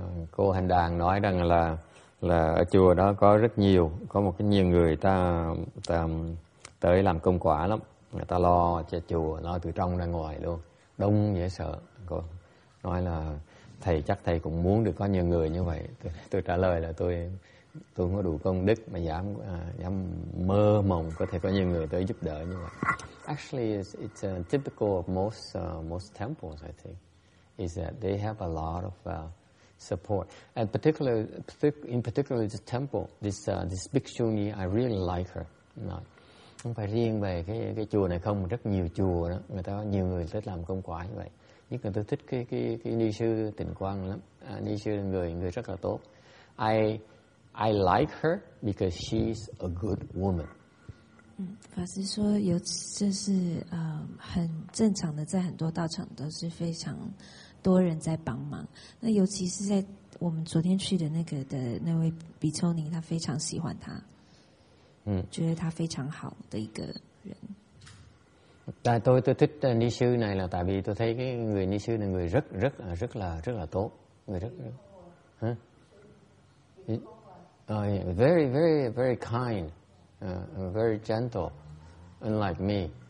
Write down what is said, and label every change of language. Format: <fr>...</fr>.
<vi>Cô Hành Đàn nói rằng là ở chùa đó có rất nhiều, có một cái nhiều người ta tới làm công quả lắm, người ta lo cho chùa, lo từ trong ra ngoài luôn, đông dễ sợ. Cô nói là thầy chắc thầy cũng muốn được có nhiều người như vậy. Tôi trả lời là tôi không có đủ công đức mà dám mơ mộng có thể có nhiều người tới giúp đỡ như vậy.</vi> <en>Actually, it's typical of most temples, I think, is that they have a lot of support. And particularly this temple, this Bhikshuni, I really like her.</en> <vi>Not, không phải riêng về cái chùa này không, rất nhiều chùa đó, người ta có nhiều người tới làm công quả như vậy. Nhưng mà tôi thích cái ni sư Tịnh Quang lắm. Ni sư là người rất là tốt.</vi> <en>I like her because she's a good woman.</en> <zh>法师说有这是很正常的，在很多道场都是非常多人在帮忙。那尤其是在我们昨天去的那位比丘尼，他非常喜欢他，觉得他非常好的一个人。</zh> <vi>但tôi thích ni sư này là tại vì tôi thấy cái người ni sư này người rất rất rất là rất là tốt, người rất rất</vi> <en>very very very kind, very gentle, unlike me.</en>